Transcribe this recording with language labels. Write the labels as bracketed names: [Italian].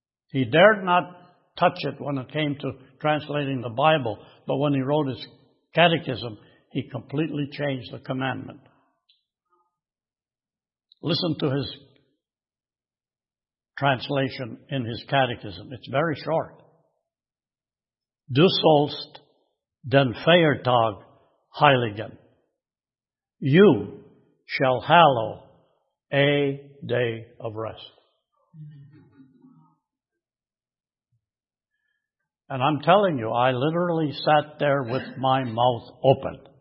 [English] He dared not touch it when it came to translating the Bible, but when he wrote his catechism, he completely changed the commandment. Listen to his translation in his catechism. It's very short. [German] Du sollst den Feiertag heiligen. [English] You shall hallow a day of rest. And I'm telling you, I literally sat there with my mouth open.